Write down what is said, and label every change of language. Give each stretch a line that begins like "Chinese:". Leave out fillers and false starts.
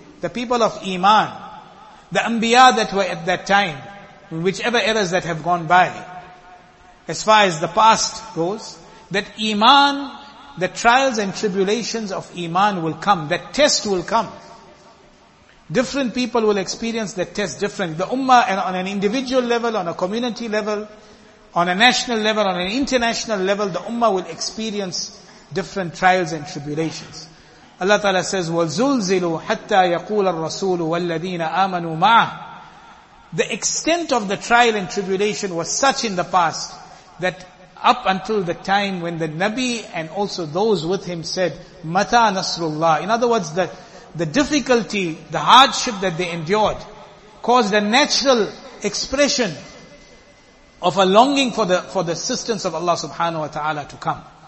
English: The people of Iman, the Anbiya that were at that time, whichever eras that have gone by, as far as the past goes, that Iman, the trials and tribulations of Iman will come, that test will come. Different people will experience that test differently. The Ummah on an individual level, on a community level, on a national level, on an international level, the Ummah will experience different trials and tribulations. Allah Ta'ala says,
Arabic: وَزُلْزِلُوا حَتَّى يَقُولَ الرَّسُولُ وَالَّذِينَ آمَنُوا مَعَهُ.
English: The extent of the trial and tribulation was such in the past that up until the time when the Nabi and also those with him said,
Arabic: مَتَى نَصْرُ اللَّهِ.
English: In other words, the difficulty, the hardship that they endured caused a natural expression of a longing for the assistance of Allah subhanahu wa ta'ala to come.